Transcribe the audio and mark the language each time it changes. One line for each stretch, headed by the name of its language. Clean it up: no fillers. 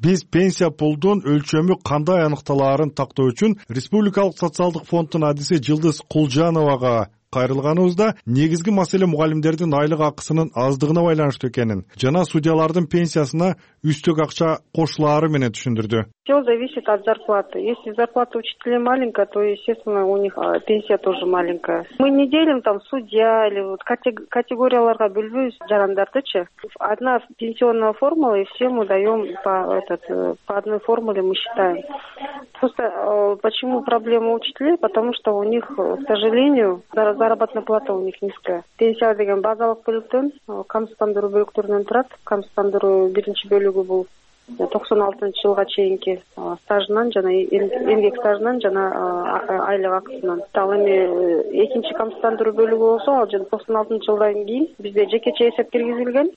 Kyrgyz: Биз пенсия пулдун өлчөмү кандай аныкталаарын тактоо үчүн Республикалык социалдык фонддун адиси Жылдыз Кулжановага кайрылганыбызда негизги маселе мугалимдердин айлык акысынын аздыгына байланыштуу экенин жана судьялардын пенсиясына үстөк акча кошулары менен түшүндүрдү.
Russian: Все зависит от зарплаты. Если зарплата учителя маленькая, то, естественно, у них пенсия тоже маленькая. Мы не делим там судья или вот
Kyrgyz: категорияларга бөлбөйбүз жарандардычы.
Russian: Одна пенсионная формула, и все мы даем по одной формуле, мы считаем. Просто почему проблема учителей? Потому что у них, к сожалению, заработная плата у них низкая.
Kyrgyz: Пенсия деген базалык бөлүктөн, камсыздандыруу бөлүктөрүнөн турат. Камсыздандыруу биринчи бөлүгү бул. 96 жылга чейинки стажынан жана эмгек стажынан жана айлык акысынан. Ал эми экинчи камсыздандыруу бөлүгү болсо, ал жана 96 жылдан кийин бизде жекече эсеп киргизилген.